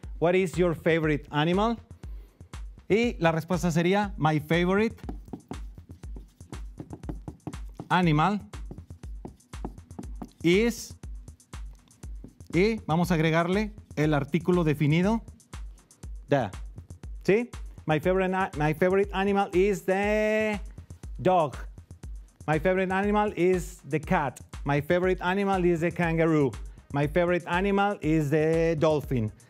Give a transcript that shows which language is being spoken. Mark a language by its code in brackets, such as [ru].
[en] What is your favorite animal? [es] Y la respuesta sería, [en] my favorite animal is, [es] y vamos a agregarle el artículo definido, the. ¿Sí? [en] My favorite animal is the dog. My favorite animal is the cat. My favorite animal is the kangaroo. My favorite animal is the dolphin.